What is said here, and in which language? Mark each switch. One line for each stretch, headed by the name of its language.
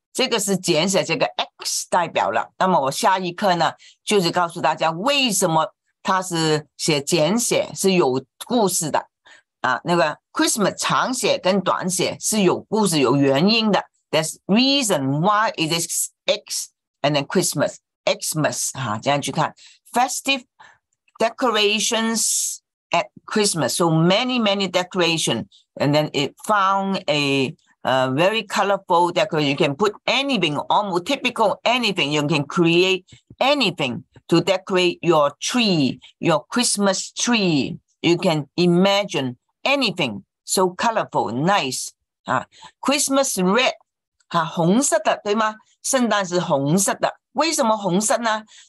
Chinese: 这个是简写这个 X 代表了。那么我下一课呢就是告诉大家为什么它是写简写是有故事的啊，那个 Christmas 长写跟短写是有故事有原因的。
English: There's reason why it is X and then Christmas Xmas
Chinese: 哈、啊，这样去看
English: festive decorations at Christmas. So many many decoration and then it found a very colorful decoration. You can put anything, almost typical anything. You can create anything. To decorate your tree, your Christmas tree, you can imagine anything so colorful, nice. Christmas red,
Chinese: 红色的对吗？圣诞是红色的，为什么红色呢？